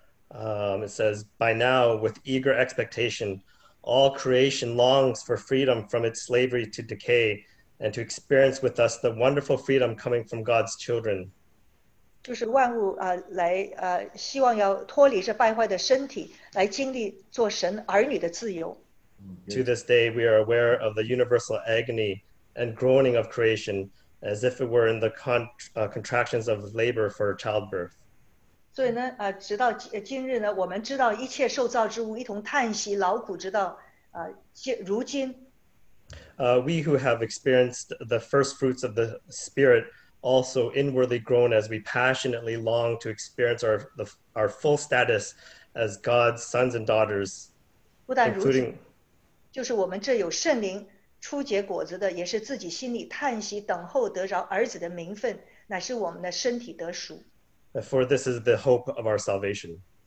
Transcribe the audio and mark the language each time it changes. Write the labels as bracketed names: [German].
[English] It says, by now, with eager expectation, all creation longs for freedom from its slavery to decay and to experience with us the wonderful freedom coming from God's children. [Chinese] 就是万物, 来, 希望要脱离这败坏的身体, 来经历做神儿女的自由。 [English] To this day, we are aware of the universal agony and groaning of creation as if it were in the contractions of labor for childbirth. [Chinese] 所以呢, 直到今日呢, 我们知道一切受造之物一同叹息, 劳苦之道, 如今, [English] We who have experienced the first fruits of the Spirit also inwardly groan as we passionately long to experience our full status as God's sons and daughters, [Chinese] 不但如此, [English] including [Chinese] 就是我们这有圣灵初结果子的, 也是自己心里叹息等候得着儿子的名分, 乃是我们的身体得赎。 [English] For this is the hope of our salvation.